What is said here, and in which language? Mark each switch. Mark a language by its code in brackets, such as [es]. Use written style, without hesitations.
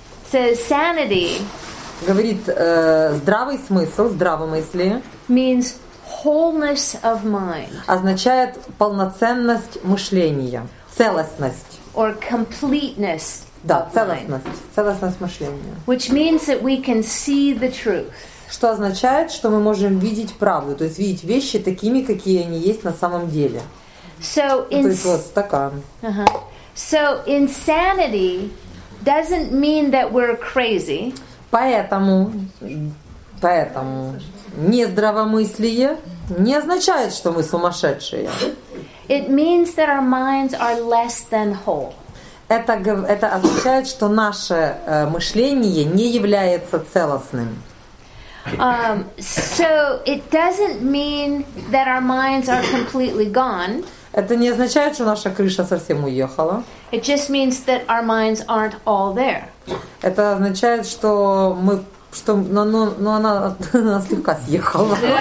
[en] Says sanity. [ru] Говорит здравый смысл, здравомыслие. [en] Means wholeness of mind. [ru] Означает полноценность мышления, целостность. [en] Or completeness. [ru] Да, целостность мышления. [en] Which means that we can see the truth. [ru] Что означает, что мы можем видеть правду, то есть видеть вещи такими, какие они есть на самом деле. [en] So in [ru] стакан. [en] So insanity doesn't mean that we're crazy. [ru] Поэтому нездравомыслие не означает, что мы сумасшедшие. [en] It means that our minds are less than whole. [ru] Это означает, что наше мышление не является целостным. [en] So it doesn't mean that our minds are completely gone. [ru] Это не означает, что наша крыша совсем уехала. [en] It just means that our minds aren't all there. [ru] Это означает, что мы что, но она нас слегка съехала.